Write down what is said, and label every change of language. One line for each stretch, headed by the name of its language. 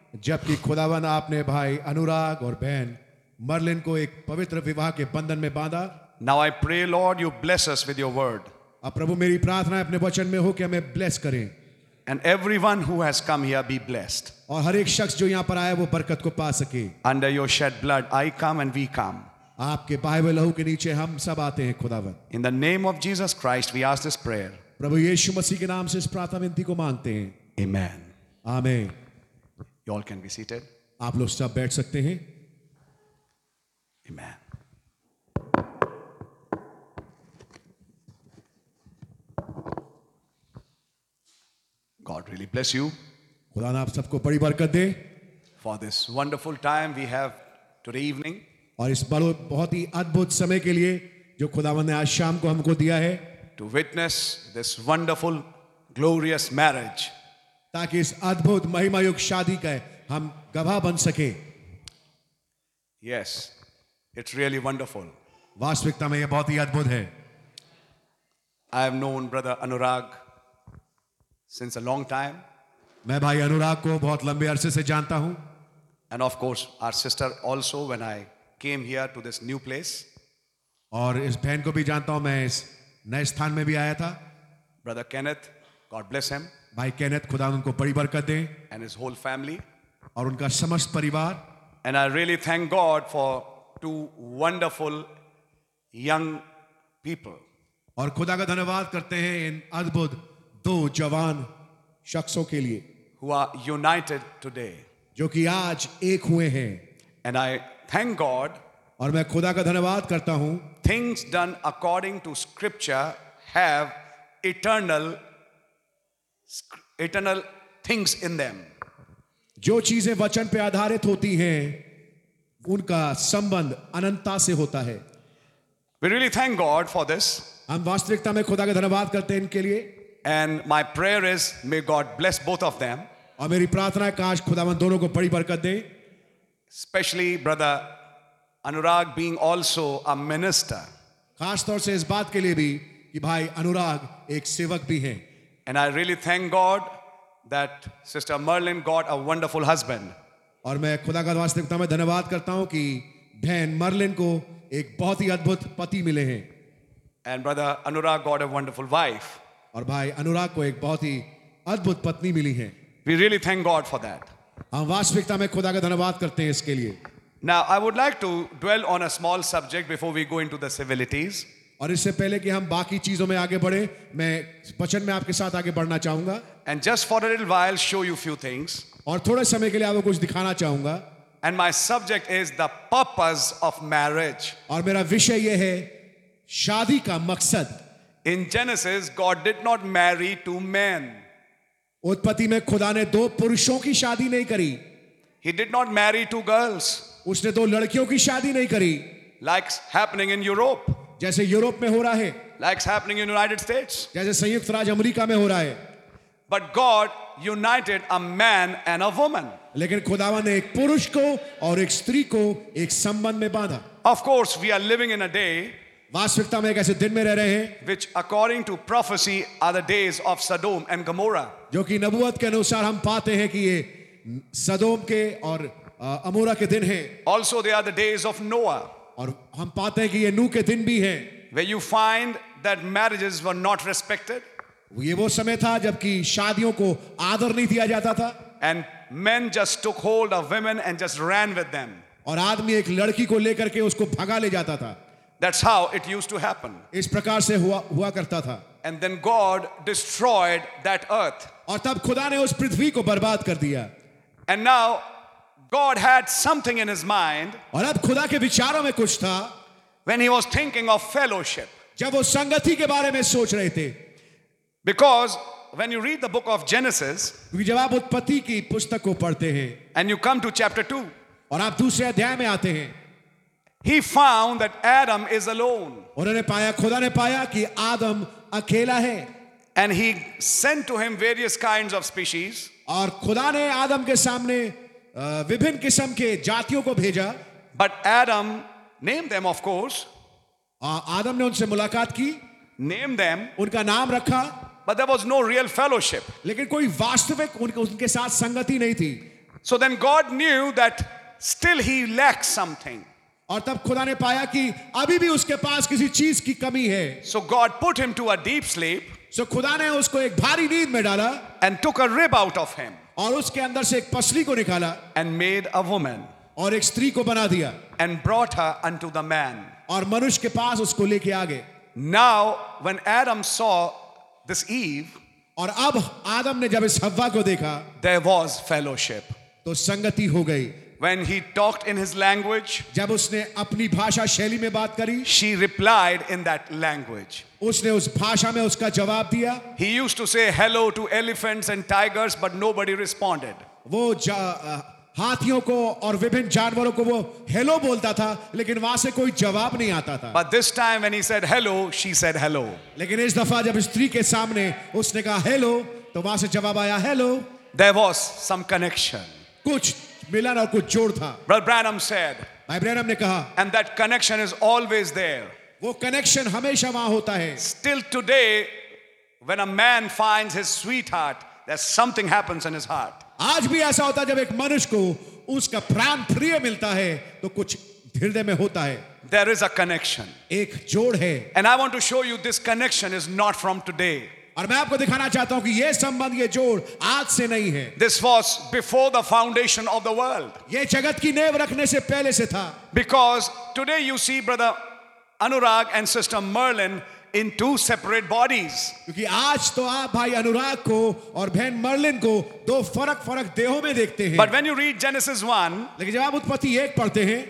Hindi: जबकि खुदावन आपने भाई अनुराग और बहन मर्लिन को एक पवित्र विवाह के बंधन में बांधा।
English: Now I pray, Lord, you bless us with your word.
Hindi: अब प्रभु मेरी प्रार्थना अपने वचन में हो कि हमें ब्लेस करें।
English: And everyone who has come here be blessed.
Hindi: और हर एक शख्स जो यहाँ पर आया वो बरकत को पा सके।
English: Under your shed blood, I come and we come.
Hindi: आपके बाहवे लहू के नीचे हम सब आते हैं खुदावन।
English: In the name of Jesus Christ, we ask this prayer.
Hindi: प्रभु यीशु मसीह के नाम से इस प्रार्थना विनती को मांगते हैं।
English: Amen. Amen. You all can be seated.
Hindi: आप लोग सब बैठ सकते हैं.
English: Amen. God really bless you.
Hindi: खुदा ने आप सबको बड़ी बरकत दे.
English: For this wonderful time we have today evening.
Hindi: और इस बहुत ही अद्भुत समय के लिए जो खुदावन ने आज शाम को हमको दिया है.
English: To witness this wonderful, glorious marriage.
Hindi: ताकि इस अद्भुत महिमायुक्त शादी का हम गवाह बन सके.
English: Yes, it's really wonderful.
Hindi: वास्तविकता में यह बहुत ही अद्भुत है.
English: I have known Brother Anurag since a long time.
Hindi: मैं भाई अनुराग को बहुत लंबे अरसे से जानता हूं.
English: And of course, our sister also when I came here to this new place.
Hindi: और इस बहन को भी जानता हूं मैं इस नए स्थान में भी आया था.
English: Brother Kenneth, God bless him.
Hindi: भाई केनेथ खुदा उनको बड़ी बरकत दे.
English: And his whole family.
Hindi: और उनका समस्त परिवार.
English: And I really thank God for two wonderful young people.
Hindi: और खुदा का धन्यवाद करते हैं इन अद्भुत दो जवान शख्सों के लिए.
English: Who are united today.
Hindi: जो कि आज एक हुए हैं.
English: And I thank God.
Hindi: और मैं खुदा का धन्यवाद करता हूं.
English: Things done according to scripture have eternal things in them.
Hindi: जो चीजें वचन पे आधारित होती हैं, उनका संबंध अनंतता से होता है.
English: We really thank God for this.
Hindi: हम वास्तविकता में खुदा का धन्यवाद करते हैं इनके लिए.
English: And my prayer is, may God bless both of them.
Hindi: और मेरी प्रार्थना है काश खुदावन दोनों को बड़ी बरकत दे.
English: Especially brother Anurag being also a minister.
Hindi: खास तौर से इस बात के लिए भी कि भाई अनुराग एक सेवक भी हैं.
English: And I really thank God that Sister Merlin got a wonderful husband.
Hindi: और मैं खुदा का वास्तविकता में धन्यवाद करता हूँ कि बहन मर्लिन को एक बहुत ही अद्भुत पति मिले हैं.
English: And brother Anurag got a wonderful wife.
Hindi: और भाई अनुराग को एक बहुत ही अद्भुत पत्नी मिली है.
English: We really thank God for that.
Hindi: हम वास्तविकता में खुदा का धन्यवाद करते हैं इसके लिए.
English: Now I would like to dwell on a small subject before we go into the civilities.
Hindi: और इससे पहले कि हम बाकी चीजों में आगे बढ़े मैं वचन में आपके साथ आगे बढ़ना चाहूंगा.
English: And just for a little while show you few things.
Hindi: और थोड़े समय के लिए आपको कुछ दिखाना चाहूंगा.
English: And my subject is the purpose of marriage.
Hindi: और मेरा विषय यह है शादी का मकसद.
English: In Genesis God did not marry two men.
Hindi: उत्पत्ति में खुदा ने दो पुरुषों की शादी नहीं करी.
English: He did not marry two girls.
Hindi: उसने दो लड़कियों की शादी नहीं करी.
English: Like happening in Europe.
Hindi: जैसे यूरोप में हो रहा है.
English: Like happening in United States.
Hindi: जैसे संयुक्त राज्य अमेरिका में हो रहा है.
English: But God united a man and a woman.
Hindi: लेकिन खुदावन ने एक पुरुष को और एक स्त्री को एक संबंध में बांधा.
English: Of course we are living in a day.
Hindi: वास्तविकता में एक ऐसे दिन में रह रहे हैं.
English: Which according to prophecy are the days of Sodom and Gomorrah.
Hindi: जो कि नबुवत के अनुसार हम पाते हैं कि ये सदोम के और अमोरा के दिन हैं.
English: Also they are the days of Noah.
Hindi: और हम पाते हैं कि ये नूह के दिन भी हैं.
English: Where you find that marriages were not respected.
Hindi: ये वो समय था जबकि शादियों को आदर नहीं दिया जाता था.
English: And men just took hold of women and just ran with them.
Hindi: और आदमी एक लड़की को लेकर के उसको भगा ले जाता था.
English: That's how it used to happen.
Hindi: इस प्रकार से हुआ करता था.
English: And then God destroyed that earth.
Hindi: और तब खुदा ने उस पृथ्वी को बर्बाद कर दिया.
English: And now God had something in his mind.
Hindi: और अब खुदा के विचारों में कुछ था.
English: When he was thinking of fellowship.
Hindi: जब वो संगति के बारे में सोच रहे थे.
English: Because when you read the book of Genesis,
Hindi: जब आप उत्पत्ति की पुस्तक को पढ़ते हैं,
English: and you come to chapter 2,
Hindi: और आप दूसरे अध्याय में आते हैं,
English: he found that Adam is alone.
Hindi: उन्होंने पाया, खुदा ने पाया कि आदम अकेला है,
English: and he sent to him various kinds of species.
Hindi: और खुदा ने आदम के सामने विभिन्न किस्म के जातियों को भेजा,
English: but Adam named them, of course.
Hindi: आदम ने उनसे मुलाकात की.
English: Name them,
Hindi: उनका नाम रखा,
English: but there was no real fellowship.
Hindi: लेकिन कोई वास्तविक उनके साथ संगति नहीं थी.
English: So then God knew that still he lacks something.
Hindi: और तब खुदा ने पाया कि अभी भी उसके पास किसी चीज की कमी है.
English: So God put him to a deep sleep.
Hindi: So खुदा ने उसको एक भारी नींद में डाला.
English: And took a rib out of him.
Hindi: और उसके अंदर से एक पसली को निकाला.
English: And made a woman.
Hindi: और एक स्त्री को बना दिया.
English: And brought her unto the man.
Hindi: और मनुष्य के पास उसको लेके आ गए.
English: Now, when Adam saw this Eve,
Hindi: और अब आदम ने जब इस हव्वा को देखा,
English: there was fellowship.
Hindi: तो संगति हो गई.
English: When he talked in his language,
Hindi: जब उसने अपनी भाषा शैली में बात करी,
English: she replied in that language.
Hindi: उसने उस भाषा में उसका जवाब दिया.
English: He used to say hello to elephants and tigers, but nobody responded.
Hindi: वो हाथियों को और विभिन्न जानवरों को वो हेलो बोलता था लेकिन वहां से कोई जवाब नहीं आता था.
English: But this time when he said hello, she said hello.
Hindi: लेकिन इस दफा जब स्त्री के सामने उसने कहा हेलो तो वहां से जवाब आया hello.
English: There was some connection.
Hindi: कुछ मिलन और कुछ जोड़ था.
English: Brother Branham said,
Hindi: भाई ब्रैनम ने कहा,
English: and that connection is always there.
Hindi: वो कनेक्शन हमेशा वहां होता है.
English: Still today, when a man finds his sweetheart, there's something happens in his heart.
Hindi: आज भी ऐसा होता है जब एक मनुष्य को उसका प्राण प्रिय मिलता है तो कुछ हृदय में होता है.
English: There is a connection.
Hindi: एक जोड़ है.
English: And I want to show you this connection is not from today.
Hindi: और मैं आपको दिखाना चाहता हूं कि यह संबंध, ये जोड़ आज से नहीं है.
English: This was before the foundation of the world.
Hindi: ये जगत की नेव रखने से पहले से था.
English: Because today you see brother Anurag and sister Merlin in two separate bodies.
Hindi: क्योंकि आज तो आप भाई अनुराग को और बहन मर्लिन को दो फरक देहों में देखते हैं.
English: But when you read Genesis 1,
Hindi: लेकिन जब आप उत्पत्ति 1 पढ़ते हैं,